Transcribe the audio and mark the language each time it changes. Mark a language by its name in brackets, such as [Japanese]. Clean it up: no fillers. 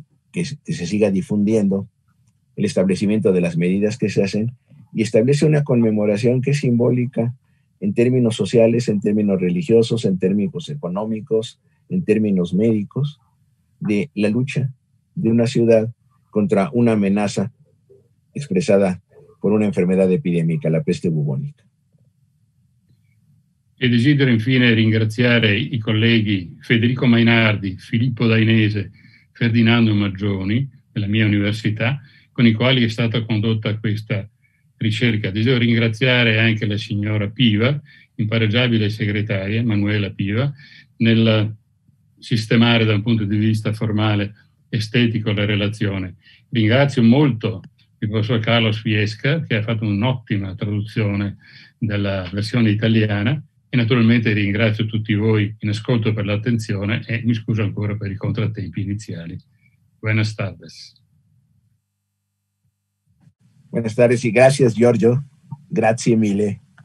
[Spanish] que se siga difundiendo, el establecimiento de las medidas que se hacen y establece una conmemoración que es simbólica en términos sociales, en términos religiosos, en términos económicos, en términos médicos, de la lucha de una ciudad contra una amenaza expresada por una enfermedad epidémica, la peste bubónica. [Italian] E desidero infine ringraziare i colleghi Federico Mainardi, Filippo Dainese, Ferdinando Maggioni della mia università, con i quali è stata condotta questa ricerca. Desidero ringraziare anche la signora Piva, impareggiabile segretaria, Emanuela Piva, nel sistemare da un punto di vista formale, estetico, la relazione. Ringrazio molto il professor Carlos Fiesca, che ha fatto un'ottima traduzione della versione italiana, e naturalmente ringrazio tutti voi in ascolto per l'attenzione e mi scuso ancora per i contrattempi iniziali. [Spanish] Buenas tardes. Buenas tardes y gracias, Giorgio. [Italian] Grazie mille.